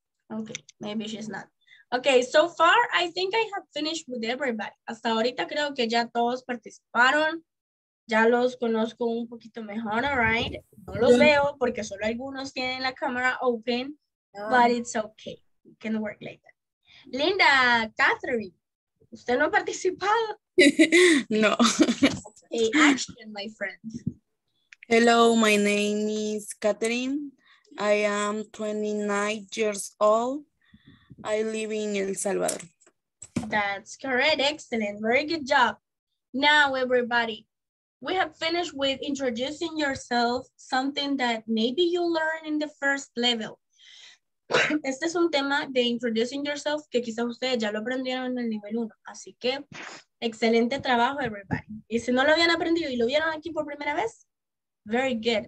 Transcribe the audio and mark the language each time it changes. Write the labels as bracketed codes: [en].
[en] Okay, maybe she's not. Okay, so far I think I have finished with everybody. [es] Hasta ahorita creo que ya todos participaron. Ya los conozco un poquito mejor, [en] all right? [es] No los veo porque solo algunos tienen la cámara open, [en] but it's okay. It can work later. [es] Linda, Catherine, ¿usted no ha participado? No. [en] Okay, action, my friend. Hello, my name is Catherine. I am 29 years old. I live in El Salvador. That's correct. Excellent. Very good job. Now, everybody, we have finished with introducing yourself, something that maybe you learn in the first level. [es] Este es un tema de introducing yourself que quizás ustedes ya lo aprendieron en el nivel 1. Así que, excelente trabajo, everybody. Y si no lo habían aprendido y lo vieron aquí por primera vez, [en] very good.